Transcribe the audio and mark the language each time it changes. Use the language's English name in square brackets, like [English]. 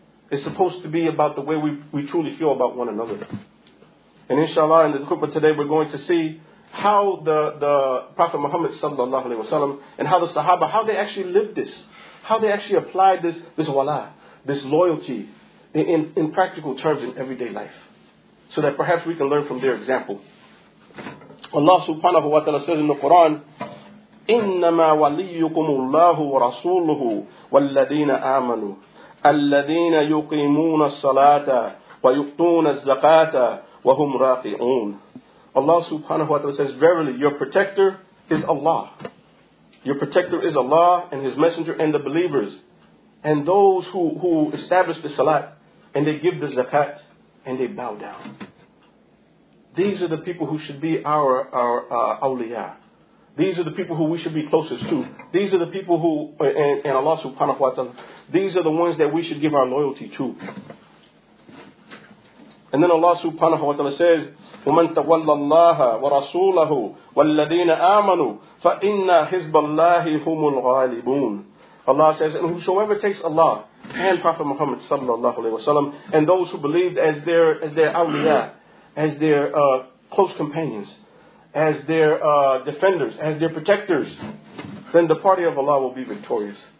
[English] It's supposed to be about the way we truly feel about one another. And inshallah, in the khutbah today, we're going to see how the Prophet Muhammad sallallahu alayhi wa sallam and how the Sahaba, how they actually lived this. How they actually applied this wala, this loyalty in practical terms in everyday life. So that perhaps we can learn from their example. Allah subhanahu wa ta'ala says in the Quran, [Arabic] إِنَّمَا وَلِيُّكُمُ اللَّهُ وَرَسُولُهُ وَالَّذِينَ آمَنُوا الَّذِينَ يُقِيمُونَ الصَّلَاةَ وَيُؤْتُونَ الزَّكَاةَ وَهُمْ رَاقِعُونَ. [English] Allah subhanahu wa ta'ala says, verily, your protector is Allah. Your protector is Allah and His messenger and the believers. And those who establish the salat and they give the zakat and they bow down. These are the people who should be our awliya. These are the people who we should be closest to. These are the people who, and Allah subhanahu wa ta'ala, these are the ones that we should give our loyalty to. And then Allah subhanahu wa ta'ala says, [Arabic] وَمَنْ تَوَلَّ اللَّهَ وَرَسُولَهُ وَالَّذِينَ آمَنُوا فَإِنَّ حِزْبَ اللَّهِ هُمُ الْغَالِبُونَ. [English] Allah says, and whosoever takes Allah and Prophet Muhammad sallallahu alayhi wa sallam and those who believed as their awliya, as their close companions, as their defenders, as their protectors, then the party of Allah will be victorious.